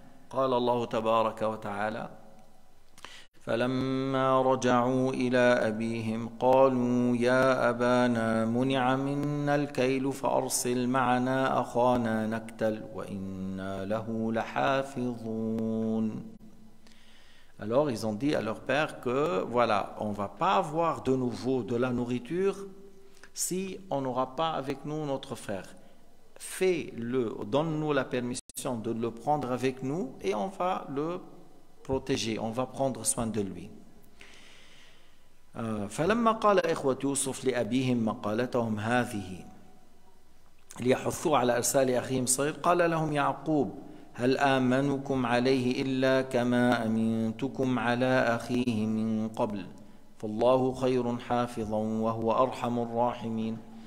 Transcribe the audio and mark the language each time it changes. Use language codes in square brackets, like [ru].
[ar] قال الله تبارك وتعالى فلما رجعوا إلى أبيهم قالوا يا أبانا منع منا الكيل فأرسل معنا أخانا نكتل وإنا له لحافظون. [fr] Alors ils ont dit à leur père que voilà, on ne va pas avoir de nouveau de la nourriture si on n'aura pas avec nous notre frère. Fais-le, donne-nous la permission de le prendre avec nous et on va le protéger, on va prendre soin de lui. [ar] فلما قال إخوة يوسف لأبيهم مقالتهم هذه ليحثوا على إرسال أخيهم الصغير قال لهم يعقوب هل آمنكم عليه إلا كما أمنتكم على أخيه من قبل فالله خير حافظا وهو أرحم الراحمين.